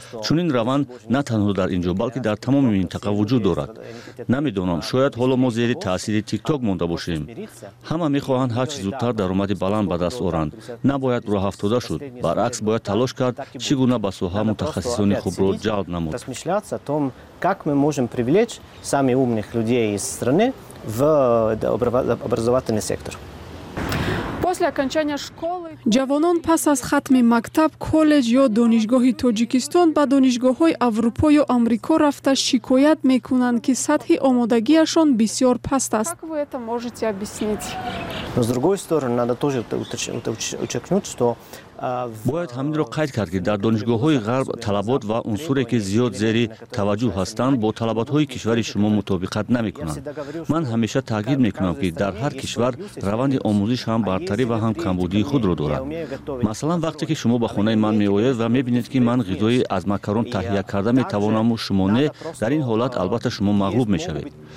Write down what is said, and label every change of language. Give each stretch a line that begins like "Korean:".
Persian: چون این روند نه تنها در اینجا بلکه در تمام منطقه وجود دارد. نمیدونم شاید حالا ما زیر تاثیر تیک تاک مونده باشیم. همه میخواهند هر چی زودتر درآمد بلند به دست آورند. نباید راه افتاده شد، برعکس باید تلاش کرد چگونه به سوها متخصصان خوب را جلب نمود.
Russian: Как мы можем привлечь самых умных людей из страны в образовательный сектор? После окончания школы
Persian: جوانان پس از ختم مکتب، کالج یا دانشگاه تاجیکستان با دانشگاه‌های اروپا یا آمریکا رفته شکایت می‌کنند که سطح آمادگی‌شان بسیار پست است.
Russian: Как вы это можете объяснить? Но с другой стороны, надо тоже уточнить, что
Persian: باید همین را قید کرد که در دانشگاه‌های غرب طلبات و عنصری که زیاد زیر توجه هستند با طلبات‌های کشور شما مطابقت نمی‌کنند. من همیشه تاکید می‌کنم که در هر کشور روند آموزش هم برتری و هم کمبودی خود را دارد. مثلا وقتی که شما به خانه من می‌آید و می‌بینید که من غذای از ماکارون تهیه کرده می‌توانم و شما نه، در این حالت البته شما مغلوب می‌شوید.